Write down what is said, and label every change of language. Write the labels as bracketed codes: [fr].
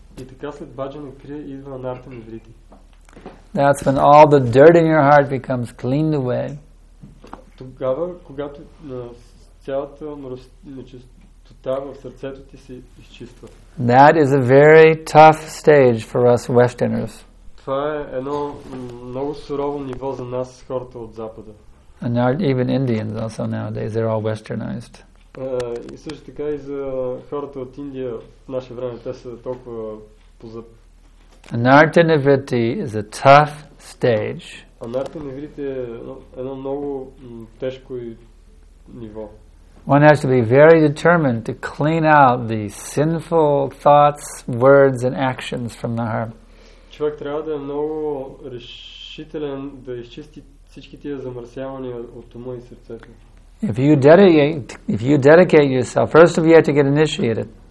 [bg] И така след bhajana kriya идва anartha nivritti. [en] That's when all the dirt in your heart becomes cleaned away. [bg] Тогава, когато цялата нечистота в сърцето ти се изчиства. [en] That is a very tough stage for us Westerners. [bg] Това е едно много сурово ниво за нас, хората от Запада. [en] And now, even Indians also nowadays, they're all Westernized. [bg] И също така и за хората от Индия в наше време, те са толкова [en] Anartha Nivritti is a tough stage. [bg] Anartha Nivritti е едно много тежко ниво. [en] One has to be very determined to clean out the sinful thoughts, words, and actions from the heart. [bg] Човек трябва да е много решителен да изчисти всички тия замърсявания от ума и сърцето. [en] If you dedicate yourself, first of all, you have to get initiated.